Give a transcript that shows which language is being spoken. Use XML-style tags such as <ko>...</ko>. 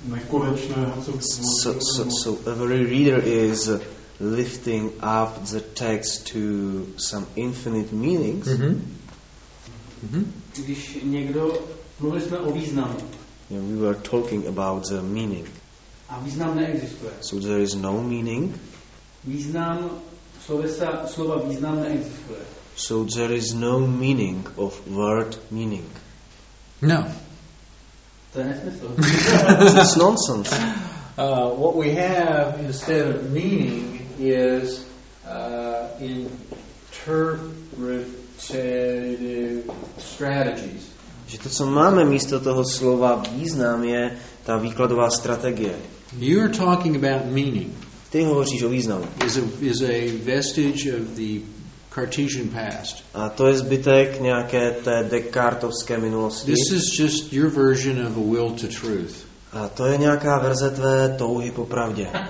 <en>So every reader is lifting up the text to some infinite meanings.</en> <cs>Když někdo mluví jsme o významu.</cs> <en>Yeah, we were talking about the meaning.</en> <cs>A význam neexistuje.</cs> <en>So there is no meaning.</en> <cs>Význam slova význam neexistuje.</cs> <en>So there is no meaning of word meaning. No. It's nonsense. What we have instead of meaning is interpretative strategies.</en> <cs>Že to, co máme místo toho slova význam, je ta výkladová strategie.</cs> <en>You're talking about meaning.</en> <cs>Ty hovoříš o významu.</cs> <en>Is a vestige of the Cartesian past.</en> <cs>A to je zbytek nějaké té Descartovské minulosti.</cs> <en>This is just your version of a will to truth.</en> <cs>A to je nějaká verze tvé touhy po pravdě.</cs>